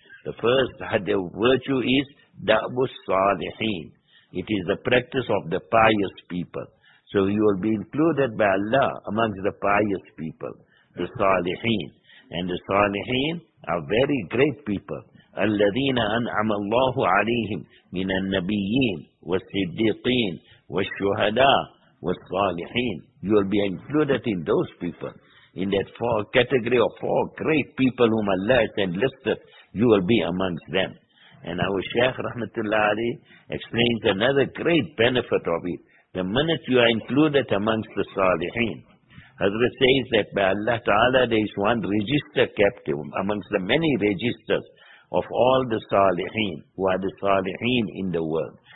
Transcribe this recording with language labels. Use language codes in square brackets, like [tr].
[en] The first hadith virtue is da'bu salihin. It is the practice of the pious people. So you will be included by Allah amongst the pious people, the salihin. And the salihin are very great people. [ar] الَّذِينَ أَنْعَمَ اللَّهُ عَلَيْهِمْ مِنَ النَّبِيِّينَ وَالصِّدِّيقِينَ وَالشُّهَدَاءِ وَالصَّالِحِينَ. [en] You will be included in those people. In that four category of four great people whom Allah has enlisted, you will be amongst them. And our Shaykh Rahmatullah Ali explains another great benefit of it. The minute you are included amongst the Salihin, Hazrat says that by Allah Ta'ala there is one register kept amongst the many registers of all the Salihin, who are the Salihin in the world.